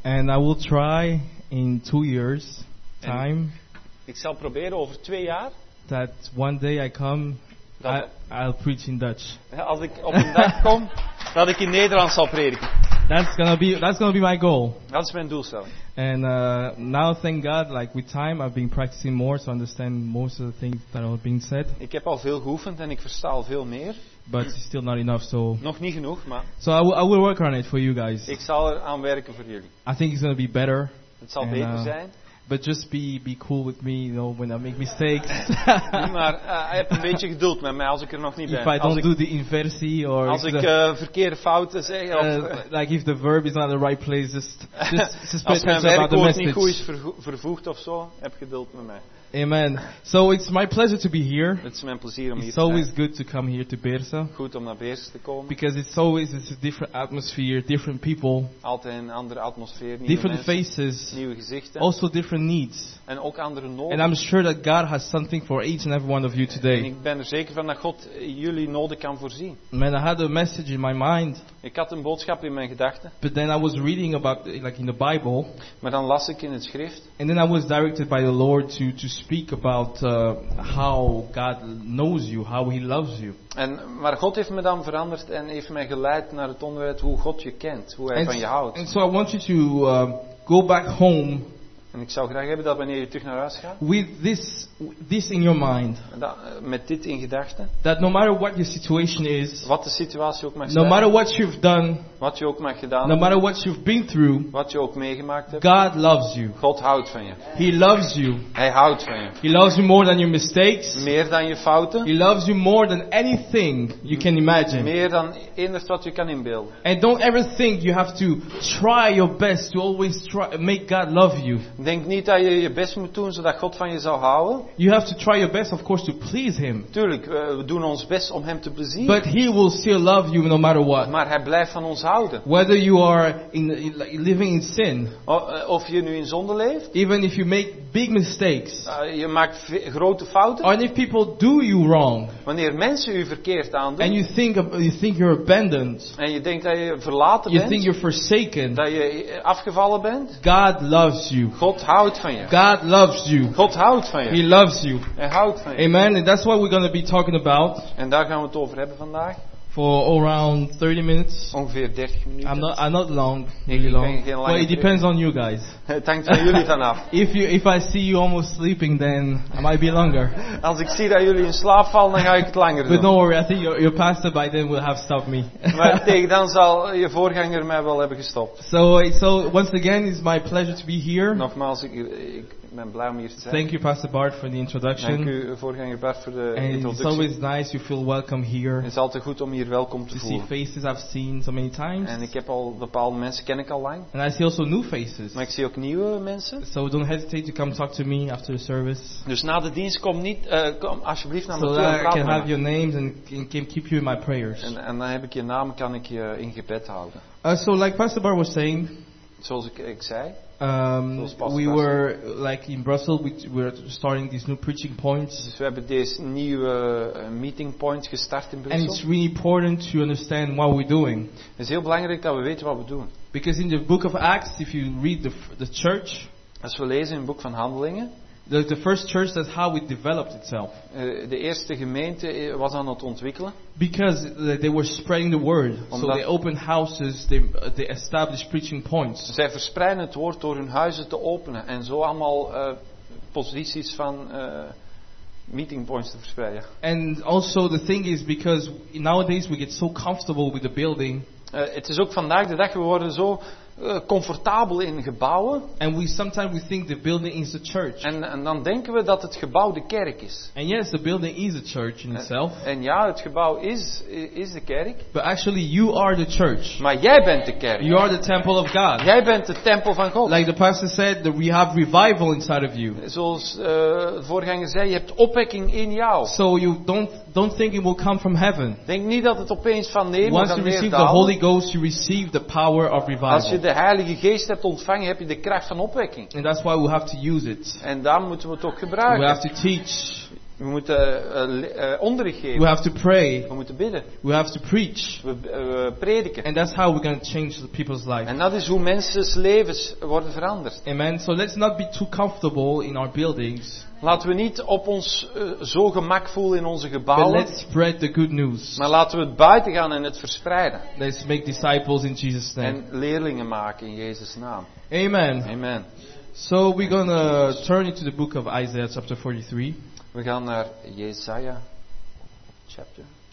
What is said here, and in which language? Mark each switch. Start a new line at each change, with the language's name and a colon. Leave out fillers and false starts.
English: And I will try in 2 years' time.
Dutch: Ik zal proberen over 2 jaar.
English: That one day I come. I'll preach in Dutch.
Dutch: Als ik op een dag kom, dat ik in Nederlands zal prediken.
English: That's gonna be my goal.
Dutch: Dat is mijn doelstelling.
English: And now, thank God, like with time, I've been practicing more, so I understand most of the things that are being said.
Dutch: Ik heb al veel geoefend en ik versta al veel meer.
English: But it's still not enough, so.
Dutch: Nog niet genoeg, maar.
English: So I will work on it for you guys.
Dutch: Ik zal er aan werken voor jullie.
English: I think it's gonna be better.
Dutch: Het zal beter zijn.
English: But just be cool with me, you know, when I make mistakes.
Dutch: Maar heb een beetje geduld met mij als ik er nog niet ben.
English: If I don't do the inversie or
Dutch: als ik verkeerde fouten zeg.
English: Like if the verb is not the right place, just suspect message.
Dutch: Als mijn werkwoord niet goed is vervoegd of zo, heb geduld met mij.
English: Amen. So it's my pleasure to be here.
Dutch: Het is mijn plezier om hier te zijn.
English: It's always good to come here to Beersa.
Dutch: Goed om naar Beersa te komen.
English: Because it's a different atmosphere, different people.
Dutch: Altijd een andere atmosfeer,
English: different
Dutch: mensen,
English: faces,
Dutch: nieuwe gezichten.
English: Also different needs.
Dutch: En ook andere noden.
English: And I'm sure that God has something for each and every one of you today.
Dutch: En ik ben er zeker van dat God jullie noden kan voorzien.
English: Man, I had a message in my mind.
Dutch: Ik had een boodschap in mijn gedachten.
English: But then I was reading about like in the Bible.
Dutch: Maar dan las ik in het schrift.
English: And then I was directed by the Lord to speak about how God knows you, how he loves you.
Dutch: En maar God heeft me dan veranderd en heeft mij geleid naar het onderwerp hoe God je kent, hoe hij van je houdt.
English: And so I want you to go back home.
Dutch: En ik zou graag hebben dat wanneer je terug naar huis gaat.
English: With this in your mind.
Dutch: Dat, met dit in gedachten.
English: That no matter what your situation is.
Dutch: Wat de situatie ook mag zijn.
English: No matter what you've done.
Dutch: Wat je ook mag gedaan.
English: No matter what you've been through.
Dutch: Wat je ook meegemaakt hebt.
English: God loves you.
Dutch: God houdt van je.
English: He loves you.
Dutch: Hij houdt van je.
English: He loves you more than your mistakes.
Dutch: Meer dan je fouten.
English: He loves you more than anything you can imagine.
Dutch: Meer dan enig wat je kan inbeelden.
English: And don't ever think you have to try your best to always try make God love you.
Dutch: Denk niet dat je je best moet doen zodat God van je zou houden.
English: You have to try your best, of course, to please him.
Dutch: Tuurlijk, we doen ons best om hem te plezieren.
English: But he will still love you no matter what.
Dutch: Maar hij blijft van ons houden.
English: Whether you are living in sin.
Dutch: Of je nu in zonde leeft.
English: Even if you make big mistakes.
Dutch: Je maakt grote fouten.
English: And if people do you wrong.
Dutch: Wanneer mensen u verkeerd aandoen.
English: And you think you're abandoned.
Dutch: En je denkt dat je verlaten bent.
English: You think you're forsaken.
Dutch: Dat je afgevallen bent.
English: God loves you.
Dutch: God houdt van je.
English: God loves you.
Dutch: God houdt van je.
English: He loves you.
Dutch: Hij houdt van je.
English: Amen. And that's what we're going to be talking about.
Dutch: En daar gaan we het over hebben vandaag.
English: For around 30 minutes.
Dutch: Ongeveer 30 minuten.
English: I'm not long. Really long. But it depends on you guys.
Dutch: Het hangt van jullie vanaf.
English: If I see you almost sleeping, then I might be longer.
Dutch: Als ik zie dat jullie in slaap vallen, dan ga ik het langer doen.
English: But don't worry, I think your pastor by then will have stopped me.
Dutch: Maar tegen dan zal je voorganger mij wel hebben gestopt.
English: So once again, it's my pleasure to be here.
Dutch: Nogmaals, ik ben blij om hier te zijn.
English: Thank you, Pastor Bart, for the introduction.
Dutch: Dank u, voorganger Bart, voor de introductie.
English: It's always nice you feel welcome here.
Dutch: Het is altijd goed om hier welkom te voelen.
English: To see faces I've seen so many times.
Dutch: En ik heb al bepaalde mensen ken ik al lang.
English: And I see also new faces.
Dutch: Maar ik zie ook nieuwe mensen.
English: So don't hesitate to come talk to me after the service.
Dutch: Dus na de dienst kom alsjeblieft naar me toe.
English: So that I can have your names and can keep you in my prayers.
Dutch: En dan heb ik je naam, kan ik je in gebed houden.
English: So like Pastor Bart was saying.
Dutch: Zoals ik zei.
English: We were like in Brussels. We were starting these new preaching points.
Dutch: Dus we hebben deze nieuwe meeting points gestart in Brussel.
English: And it's really important to understand what we're doing.
Dutch: Het is heel belangrijk dat we weten wat we doen.
English: Because in the book of Acts, if you read the church,
Dutch: als we lezen in het boek van Handelingen,
English: the first church, that's how it developed itself.
Dutch: De eerste gemeente was aan het ontwikkelen.
English: Because they were spreading the word.
Dutch: Omdat
English: so they opened houses, they established preaching points.
Dutch: Zij verspreiden het woord door hun huizen te openen. En zo allemaal posities van meeting points te verspreiden.
English: And also the thing is, because nowadays we get so comfortable with the building.
Dutch: Het is ook vandaag de dag, we worden zo comfortabel in gebouwen.
English: And we sometimes we think the building is the church.
Dutch: En dan denken we dat het gebouw de kerk is.
English: And yes, the building is the church in itself.
Dutch: En ja, het gebouw is de kerk.
English: But actually, you are the church.
Dutch: Maar jij bent de kerk.
English: You are the temple of God.
Dutch: Jij bent de tempel van God.
English: Like the pastor said, that we have revival inside of you.
Dutch: Zoals de voorganger zei, je hebt opwekking in jou.
English: So you don't think it will come from heaven.
Dutch: Denk niet dat het opeens van neer neerdaalt.
English: Once you receive the Holy Ghost, you receive the power of revival.
Dutch: De Heilige Geest hebt ontvangen, heb je de kracht van opwekking.
English: And that's why we have to use it.
Dutch: En daar moeten we het ook gebruiken.
English: We have to teach.
Dutch: We moeten onderricht geven.
English: We have to pray.
Dutch: We moeten bidden.
English: We have to preach.
Dutch: We prediken.
English: And that's how we're going to change the people's life.
Dutch: En dat is hoe mensen's levens worden veranderd.
English: Amen. So let's not be too comfortable in our buildings.
Dutch: Laten we niet op ons zo gemak voelen in onze gebouwen.
English: But let's spread the good news.
Dutch: Maar laten we het buiten gaan en het verspreiden.
English: Let's make disciples in Jesus' name.
Dutch: En leerlingen maken in Jezus' naam.
English: Amen. Amen. So we're going to turn into the book of Isaiah chapter 43.
Dutch: We gaan naar Jesaja chapter